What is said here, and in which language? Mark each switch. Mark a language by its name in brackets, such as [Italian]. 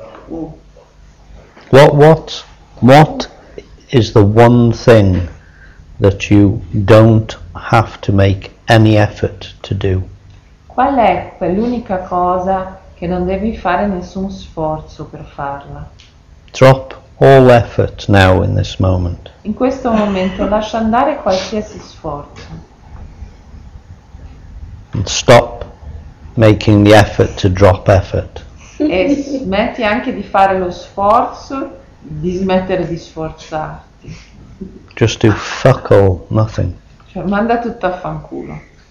[English] What is the one thing that you don't have to make any effort to do? [Italian] Qual è quell'unica cosa che non devi fare nessun sforzo per farla? [English] Drop all effort now in this moment. [Italian] In questo momento lascia andare qualsiasi sforzo. [English] And stop making the effort to drop effort. [Italian] E smetti anche di fare lo sforzo di smettere di sforzarti. [English] Just do fuck all, nothing. [Italian] Cioè, manda tutto a fanculo.